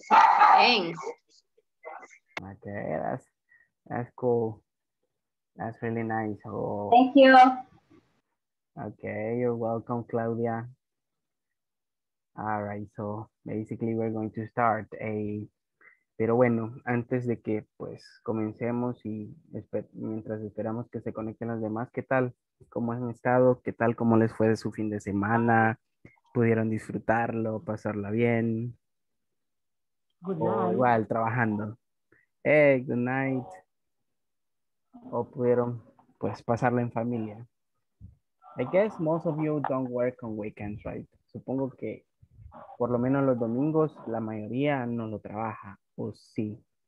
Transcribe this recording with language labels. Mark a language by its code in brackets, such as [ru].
[en] Thanks. Okay, that's cool. That's really nice. Oh. Thank you. Okay, you're welcome, Claudia. All right, so basically we're going to start a... [es] Pero bueno, antes de que pues comencemos y mientras esperamos que se conecten las demás, ¿qué tal? ¿Cómo han estado? ¿Qué tal? ¿Cómo les fue de su fin de semana? ¿Pudieron disfrutarlo? ¿Pasarla bien? [en] Good night. [es] O igual, trabajando. [en] Hey, good night. [es] ¿O pudieron pues pasarla en familia? [en] I guess most of you don't work on weekends, right? [es] Supongo que por lo menos los domingos, la mayoría no lo trabaja, o sí.